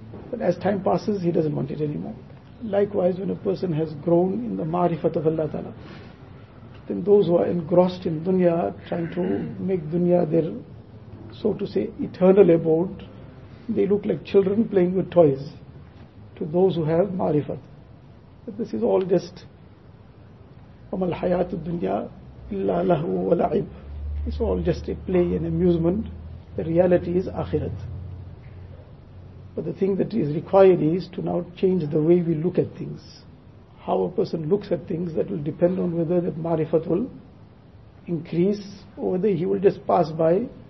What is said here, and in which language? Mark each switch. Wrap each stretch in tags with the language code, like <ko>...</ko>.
<en>But as time passes, he doesn't want it anymore. Likewise, when a person has grown in the ma'rifat of Allah Ta'ala, then those who are engrossed in dunya, trying to make dunya their, so to say, eternal abode, they look like children playing with toys to those who have ma'rifat. But this is all just</en> <ar>وَمَا الْحَيَاةُ الدُّنْيَا إِلَّا لَهُ وَلَعِبْ.</ar> <en>It's all just a play and amusement. The reality is akhirat. But the thing that is required is to now change the way we look at things. How a person looks at things, that will depend on whether that ma'rifat will increase or whether he will just pass by.</en>